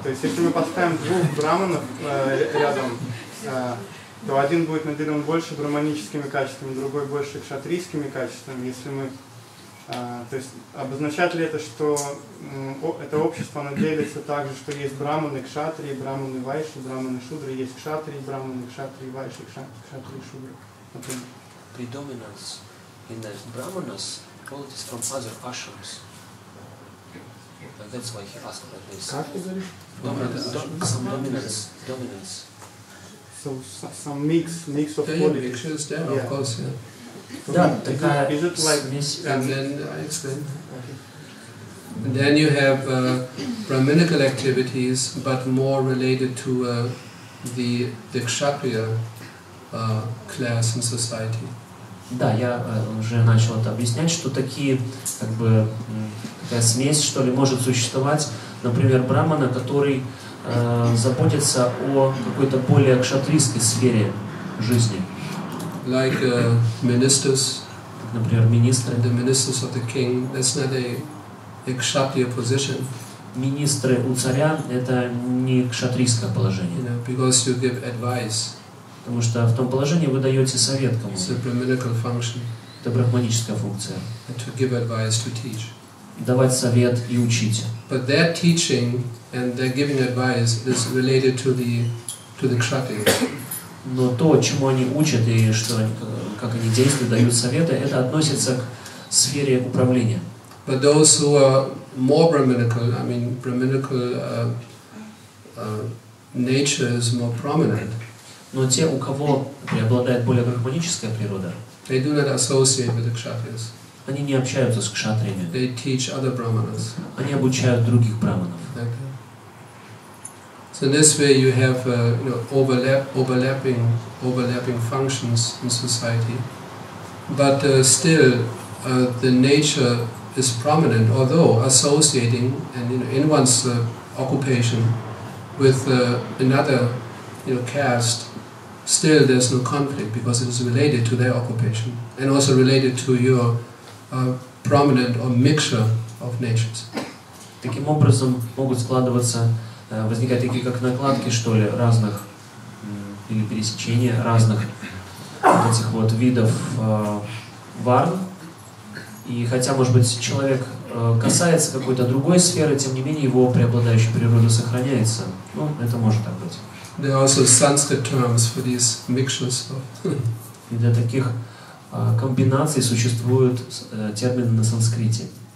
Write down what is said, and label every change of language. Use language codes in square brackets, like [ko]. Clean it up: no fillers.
[ru] То есть, если мы поставим двух браманов рядом, то один будет наделен больше браманическими качествами, другой больше кшатрийскими качествами. Если мы, то есть, обозначает ли это, что это общество оно делится так же, что есть брахманы, кшатрии, брахманы, вайши, брахманы, шудры, есть кшатрии, брахманы, кшатрии, вайши, кшатрии, шудры. [en] Predominance in the brahmanas qualities from other ashrams. That's why he asked about this. [ru] Как ты говоришь? [en] Dominance. So some mix of qualities. Yeah, mixes there, of course. Yeah. [ru] Да, такая [en] is it like miss, and then I explain. Okay. And then you have brahminical activities, but more related to the kshatriya class in society. [ru] Да, я уже начал это объяснять, что такие как бы такая смесь что ли может существовать, например, брахмана, который заботится о какой-то более кшатрийской сфере жизни. [en] Like ministers, [ru] например, министры, [en] the ministers of the king, that's not a kshatriya position. [ru] Министры у царя — это не кшатрийское положение. [en] You know, because you give advice. [ru] Потому что в том положении вы даете совет кому-то. [en] It's a brahminical function. [ru] Это брахманическая функция. [en] And to give advice, to teach. [ru] Давать совет и учить. [en] But their teaching and their giving advice is related to the kshatriya. [ru] Но то, чему они учат и что, как они действуют, дают советы, это относится к сфере управления. [en] But those who are more brahminical, I mean brahminical nature is more prominent. [ru] Но те, у кого преобладает более брахманическая природа, [en] they do not associate with the kshatriyas. [ru] Они не общаются с кшатриями. [en] They teach other brahmanas. [ru] Они обучают других браманов. [en] So in this way you have overlapping functions in society. But still the nature is prominent, although associating and in one's occupation with another caste, still there's no conflict because it is related to their occupation and also related to your prominent or mixture of natures. [ru] Таким образом могут складываться возникают такие как накладки что ли разных или пересечения разных этих вот видов варн. И хотя, может быть, человек касается какой-то другой сферы, тем не менее его преобладающая природа сохраняется. Ну, это может так быть. [en] There are also Sanskrit terms for these mixtures. [ru] И для таких комбинаций существуют термины на санскрите.